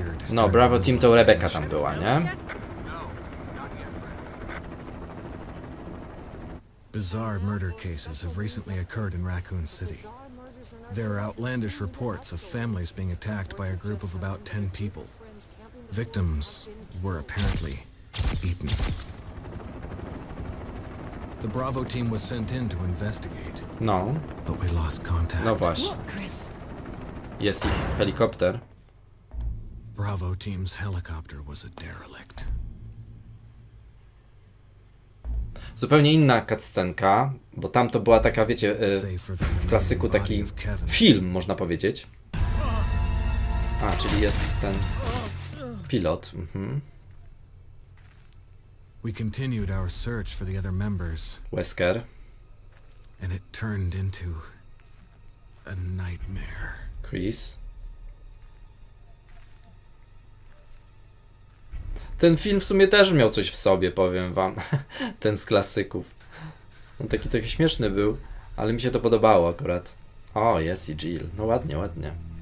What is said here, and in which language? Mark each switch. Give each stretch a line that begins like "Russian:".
Polish: No, Bravo Team to Rebecca tam była, nie?
English: Bizarre murder cases have recently occurred in Raccoon City. There are outlandish reports of families being attacked by a group of about 10 people. Victims were apparently beaten. The Bravo team was sent in to investigate.
Polish: No.
English: But we lost contact.
Polish: No właśnie. Jest ich helikopter.
English: Bravo team's helicopter was a derelict.
Polish: Zupełnie inna cutscenka, bo tam to była taka, wiecie, w klasyku taki film, można powiedzieć. A, czyli jest ten pilot.
English: We continued our search for the other members. Wesker. And it turned into a nightmare. Chris.
Polish: Ten film w sumie też miał coś w sobie, powiem wam. Ten z klasyków. On taki trochę śmieszny był, ale mi się to podobało akurat. O, jest i Jill. No ładnie, ładnie.